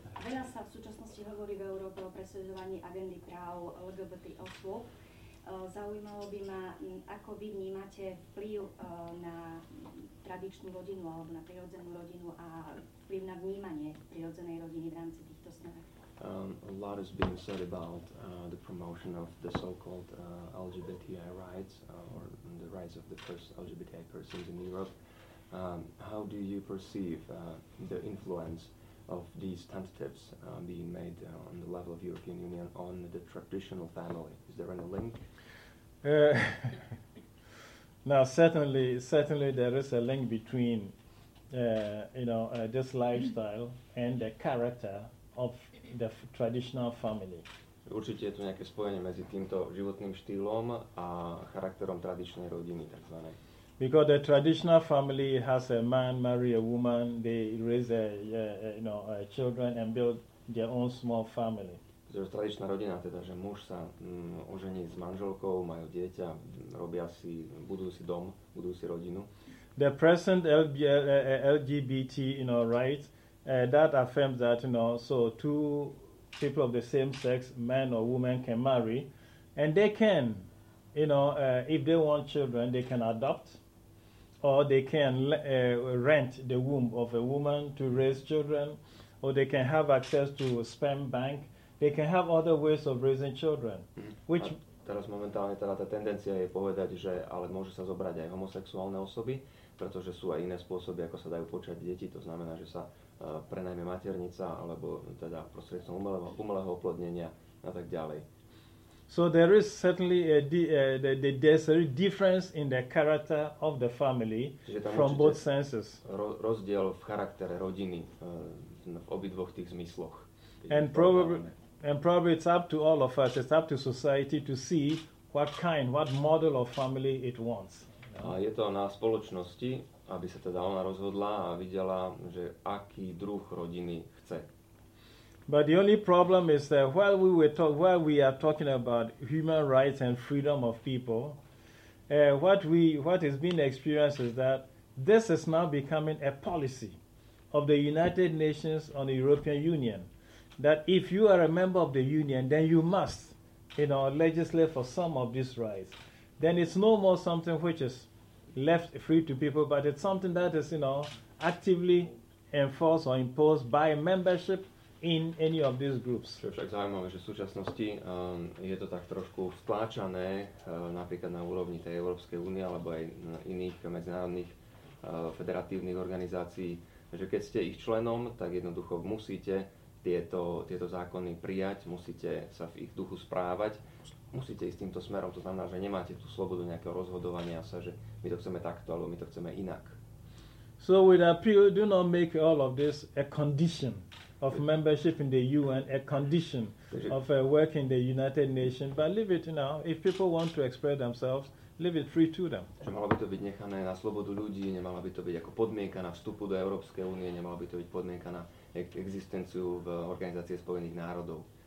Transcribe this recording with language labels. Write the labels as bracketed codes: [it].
[sk] Veľa sa v súčasnosti hovorí v Európe o presadzovaní agendy práv LGBT osôb. Zaujímalo by ma, ako vy vnímate vplyv na tradičnú rodinu alebo na prirodzenú rodinu a vplyv na vnímanie prirodzenej rodiny v rámci týchto snov. [en] A lot is being said about the promotion of the so-called LGBTI rights or the rights of the first LGBTI persons in Europe. How do you perceive the influence of these tentatives being made on the level of European Union on the traditional family? Is there any link? Now, certainly there is a link between this lifestyle and the character of the traditional family. [sk] Určite je tu nejaké spojenie medzi týmto životným štýlom a charakterom tradičnej rodiny, takzvanej. [en] Because the traditional family has a man marry a woman, they raise children and build their own small family. [sk] Pretože tradičná rodina, teda že muž sa ožení s manželkou, majú dieťa, robia si, budujú si dom, budujú si rodinu. [en] The present LGBT rights, that affirms that so two people of the same sex, man or woman, can marry, and they can if they want children, they can adopt, or they can rent the womb of a woman to raise children, or they can have access to a sperm bank, they can have other ways of raising children. Which [sk] teraz momentálne teda tá tendencia je povedať, že ale môže sa zobrať aj homosexuálne osoby, pretože sú aj iné spôsoby, ako sa dajú počať deti, to znamená, že sa prenajme maternica alebo teda prostredníctvom umelého oplodnenia a tak ďalej. [en] So there is certainly a there's a difference in the character of the family from both senses. [sk] Rozdiel v charaktere rodiny v obidvoch tých zmysloch. [en] And probably it's up to all of us, it's up to society to see what model of family it wants. [sk] A je to na spoločnosti, aby sa teda ona rozhodla a videla, že aký druh rodiny chce. [en] But the only problem is that while we are talking about human rights and freedom of people, what has been experienced is that this is now becoming a policy of the United Nations on the European Union, that if you are a member of the union, then you must, you know, legislate for some of these rights. Then it's no more something which is left free to people, but it's something that is, you know, actively enforced or imposed by membership in any of these groups. [sk] Čo je však zaujímavé, že v súčasnosti je to tak trošku vtláčané napríklad na úrovni tej Európskej únie alebo aj iných medzinárodných federatívnych organizácií, že keď ste ich členom, tak jednoducho musíte tieto zákony prijať, musíte sa v ich duchu správať, musíte ísť týmto smerom, to znamená, že nemáte tú slobodu nejakého rozhodovania sa, že my to chceme takto alebo my to chceme inak. [en] So with appeal, do not make all of this a condition of membership in the UN, a condition of work in the United Nations, but leave it, you know, if people want to express themselves, leave it free to them. [sk] Čo malo by to byť nechané na slobodu ľudí, nemala by to byť ako podmienka na vstupu do Európskej únie, nemala by to byť podmienka na existenciu v Organizácie spojených národov.